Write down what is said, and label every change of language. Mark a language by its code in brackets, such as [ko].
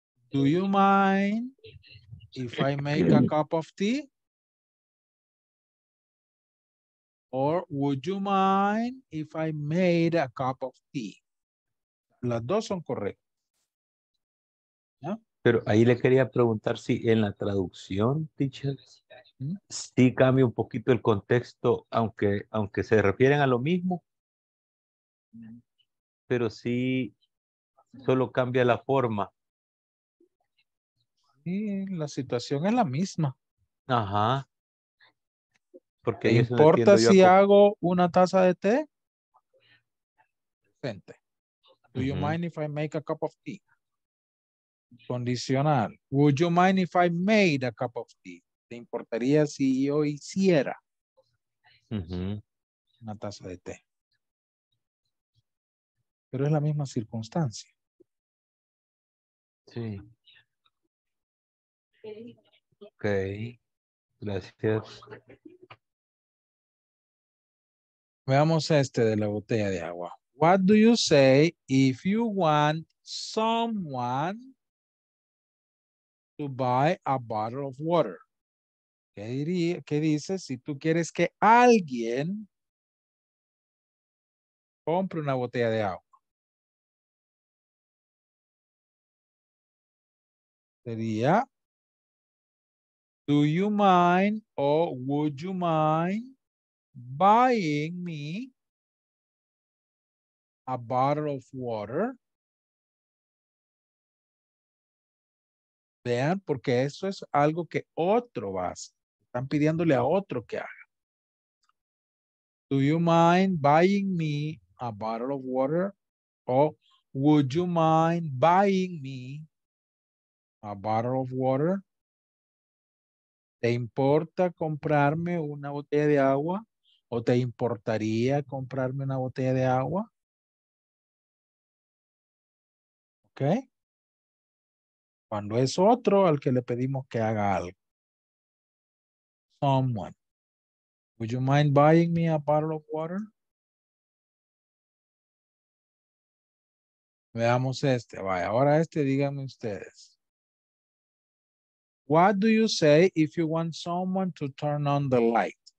[en] Do you mind if I make a cup of tea? Or would you mind if I made a cup of tea? [es] Las dos son correctas. Pero ahí le quería preguntar si en la traducción, teacher, sí cambia un poquito el contexto, aunque se refieren a lo mismo, pero sí solo cambia la forma. Sí, la situación es la misma. Ajá. Porque ¿importa si hago una taza de té? [en] Gente, do you mind if I make a cup of tea? Condicional. Would you mind if I made a cup of tea? [es] ¿Te importaría si yo hiciera una taza de té? Pero es la misma circunstancia. Sí. Ok. Gracias. Veamos este de la botella de agua. [en] What do you say if you want someone to buy a bottle of water? [es] ¿Qué diría, qué dices si tú quieres que alguien compre una botella de agua? [en] Sería, do you mind or would you mind buying me a bottle of water. [es] Vean, porque eso es algo que otro va a hacer. Están pidiéndole a otro que haga. [en] Do you mind buying me a bottle of water? O would you mind buying me a bottle of water? [es] ¿Te importa comprarme una botella de agua? ¿O te importaría comprarme una botella de agua? ¿Ok? Cuando es otro al que le pedimos que haga algo. [en] Someone. Would you mind buying me a bottle of water? [es] Veamos este. Vaya, ahora este, díganme ustedes. [en] What do you say if you want someone to turn on the light?